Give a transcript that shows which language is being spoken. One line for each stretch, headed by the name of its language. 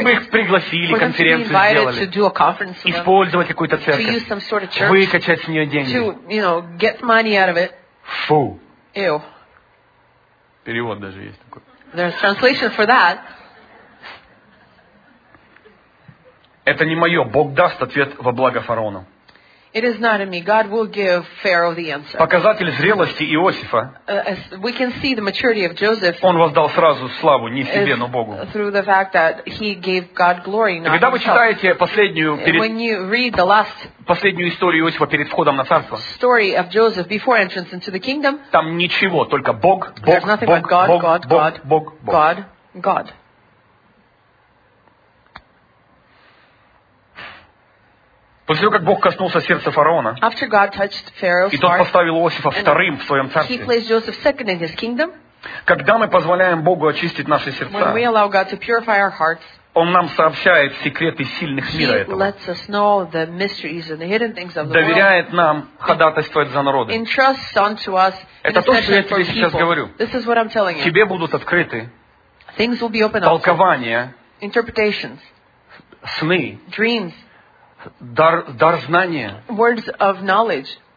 Russian: Чтобы их пригласили, конференцию сделали.
English: For them to be invited to do a conference.
Russian: Использовать какую-то церковь.
English: To use some sort of church.
Russian: Выкачать с нее деньги.
English: To, you know, get money out of it.
Russian: Фу.
English: Ew.
Russian: Перевод даже есть такой.
English: There's translation for that.
Russian: Это не мое. Бог даст ответ во благо фараону.
English: It is not in me. God will give Pharaoh the answer.
Russian: Показатель зрелости Иосифа.
English: As we can see the maturity of Joseph.
Russian: Он воздал сразу славу не себе, но Богу.
English: Through the fact that he gave God glory, not himself.
Russian: Когда вы читаете последнюю перед
English: when you read the last
Russian: последнюю историю Иосифа перед входом на царство.
English: Story of Joseph before entrance into the kingdom.
Russian: Там ничего, только Бог, Бог, Бог,
English: God,
Russian: Бог,
English: God,
Russian: Бог,
English: God,
Russian: Бог, Бог, Бог,
English: God, God.
Russian: После того, как Бог коснулся сердца фараона,
English: after God touched Pharaoh's
Russian: и тот поставил Иосифа вторым в своем царстве,
English: he placed Joseph second in his kingdom,
Russian: когда мы позволяем Богу очистить наши сердца,
English: when we allow God to purify our hearts,
Russian: Он нам сообщает секреты сильных мира этого.
English: He lets us know the mysteries and the hidden things of the
Russian: доверяет
English: world.
Russian: Нам ходатайствовать за народы.
English: Entrusts unto us
Russian: это то, что я тебе сейчас говорю.
English: This is what I'm telling you.
Russian: Тебе будут открыты
English: things will be open
Russian: толкования
English: interpretations.
Russian: сны,
English: dreams,
Russian: дар знания,
English: words of knowledge,